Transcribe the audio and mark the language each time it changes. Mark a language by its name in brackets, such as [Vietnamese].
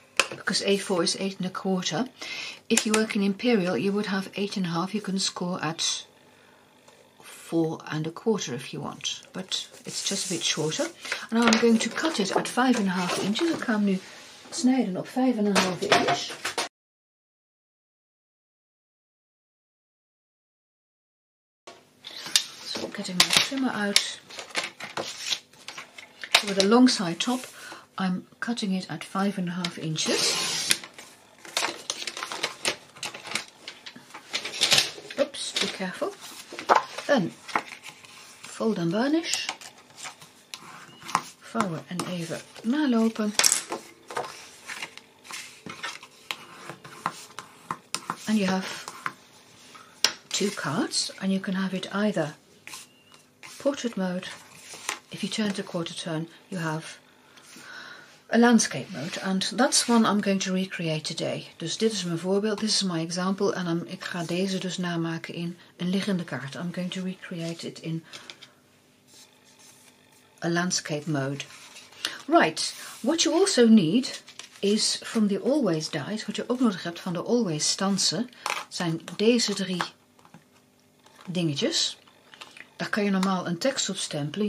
[English] Because A4 is 8 1/4. If you work in Imperial, you would have 8 1/2. You can score at 4 1/4 if you want. But it's just a bit shorter. And now I'm going to cut it at 5 1/2 inches. [Dutch] Ik ga hem nu snijden op 5 1/2 inch. [English] So I'm getting my trimmer out. So with a long side top, I'm cutting it at 5 1/2 inches. Careful. Then fold and burnish. [Dutch] Vouwen en even nalopen. [English] And you have two cards, and you can have it either portrait mode. If you turn to quarter turn, you have a landscape mode, and that's one I'm going to recreate today. [Dutch] Dus dit is mijn voorbeeld, [English] this is my example, [Dutch] en ik ga deze dus namaken in een liggende kaart. [English] I'm going to recreate it in a landscape mode. Right, what you also need is from the Always Dies, [Dutch] wat je ook nodig hebt van de Always Stansen, zijn deze drie dingetjes. Daar kan je normaal een tekst op stempelen.